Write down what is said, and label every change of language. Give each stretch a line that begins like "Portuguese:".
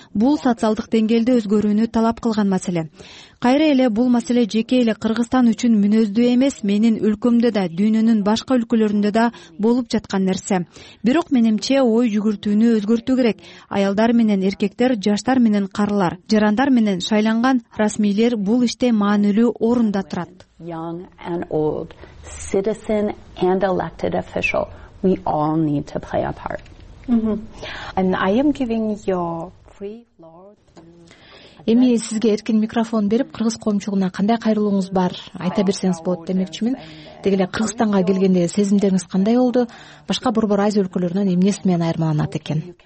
Kyrgyz: Бул социалдык деңгээлде өзгөрүүнү талап кылган маселе. Кайра эле бул маселе жеке эле Кыргызстан үчүн мүнөздүү эмес, менин өлкөмдө да, дүйнөнүн башка өлкөлөрүндө да болуп жаткан нерсе. Бирок менимче ой жүгүртүүнү өзгөртүү керек. Аялдар менен эркектер, жаштар менен карылар, жарандар менен шайланган расмийлер бул иште маанилүү орунда турат.
English: Young and old, citizen and elected official, we all need to play a part. And I am giving your free floor.
Kyrgyz: Эми сизге эркин микрофон берип, кыргыз коомчулугуна кандай кайрылууңуз бар? Айта берсеңиз болот демекчимин. Деги эле Кыргызстанга келгенде сезимдериңиз кандай болду? Башка борбор Азия өлкөлөрүнөн эмнеси менен айырмаланат экен?